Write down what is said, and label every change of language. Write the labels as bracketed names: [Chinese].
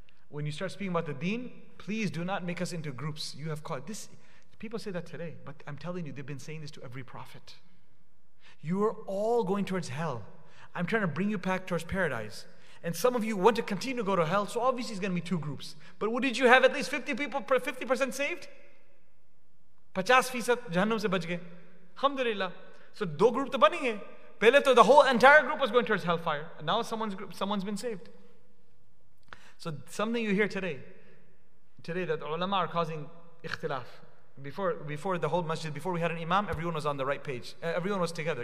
[English] When you start speaking about the deen, please do not make us into groups. You have caused this. People say that today, but I'm telling you, they've been saying this to every prophet. You are all going towards hell. I'm trying to bring you back towards paradise. And some of you want to continue to go to hell, so obviously it's going to be two groups. But what did you have? At least 50% saved? [Urdu] 50% جہنم سے بچ گئے۔ [Arabic] Alhamdulillah. [English] So two groups [Urdu] to bani hai. Pehle to [English] the whole entire group was going towards hellfire. And now someone's been saved. So something you hear today that ulama are causing ikhtilaf. Before the whole masjid, before we had an imam, everyone was on the right page. Everyone was together.